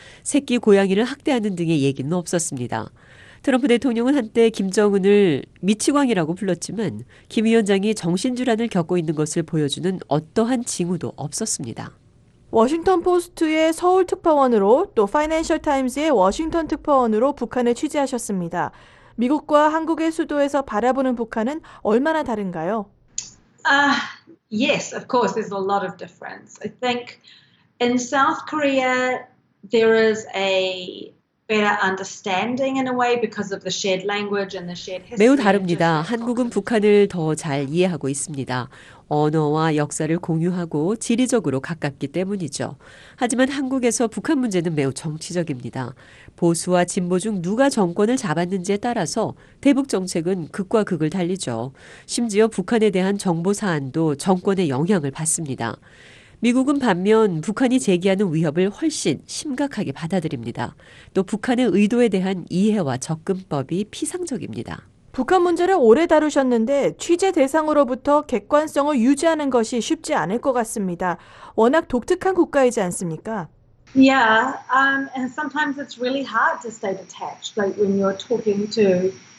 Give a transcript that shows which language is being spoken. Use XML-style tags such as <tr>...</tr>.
<ko>새끼 고양이를 학대하는 등의 얘기는 없었습니다. 트럼프 대통령은 한때 김정은을 미치광이라고 불렀지만 김 위원장이 정신질환을 겪고 있는 것을 보여주는 어떠한 징후도 없었습니다. 워싱턴포스트의 서울 특파원으로 또 파이낸셜 타임즈의 워싱턴 특파원으로 북한을 취재하셨습니다. 미국과 한국의 수도에서 바라보는 북한은 얼마나 다른가요?</ko> <en>Yes, of course, there's a lot of difference. I think in South Korea, there is a better understanding in a way because of the shared language and the shared history.</en> <ko>매우 다릅니다. 한국은 북한을 더 잘 이해하고 있습니다. 언어와 역사를 공유하고 지리적으로 가깝기 때문이죠. 하지만 한국에서 북한 문제는 매우 정치적입니다. 보수와 진보 중 누가 정권을 잡았는지에 따라서 대북 정책은 극과 극을 달리죠. 심지어 북한에 대한 정보 사안도 정권의 영향을 받습니다. 미국은 반면 북한이 제기하는 위협을 훨씬 심각하게 받아들입니다. 또 북한의 의도에 대한 이해와 접근법이 피상적입니다. 북한 문제를 오래 다루셨는데 취재 대상으로부터 객관성을 유지하는 것이 쉽지 않을 것 같습니다. 워낙 독특한 국가이지 않습니까?</ko> <en>Yeah, and sometimes it's really hard to stay detached, like when you're talking to</en>